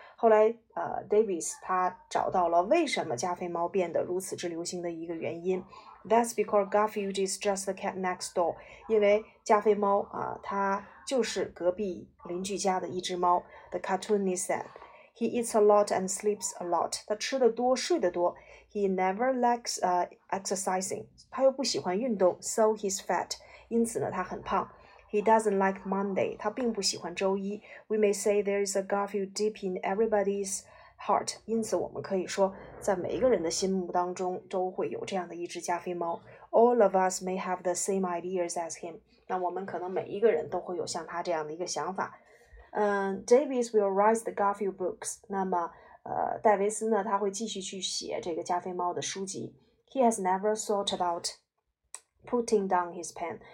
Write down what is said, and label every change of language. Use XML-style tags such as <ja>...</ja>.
<zh>后来Davis 他找到了为什么加菲猫变得如此之流行的一个原因。</zh> <en>That's because Garfield is just the cat next door.</en> <zh>因为加菲猫啊，它就是隔壁邻居家的一只猫。</zh> <en>The cartoonist said he eats a lot and sleeps a lot.</en> <zh>他吃得多，睡得多。</zh> <en>He never likes exercising.</en> <zh>他又不喜欢运动 ，</zh> <en>so he's fat.</en> <zh>因此呢，他很胖。</zh> <en>He doesn't like Monday.</en> <zh>他并不喜欢周一。</zh> <en>We may say there is a Garfield deep in everybody's heart.</en> <zh>因此，我们可以说，在每一个人的心目当中，都会有这样的一只加菲猫。</zh> <en>All of us may have the same ideas as him.</en> <zh>那我们可能每一个人都会有像他这样的一个想法。</zh> <en>Davis will write the Garfield books.</en> <zh>那么戴维斯呢，他会继续去写这个加菲猫的书籍。</zh> <en>He has never thought about putting down his pen.</en>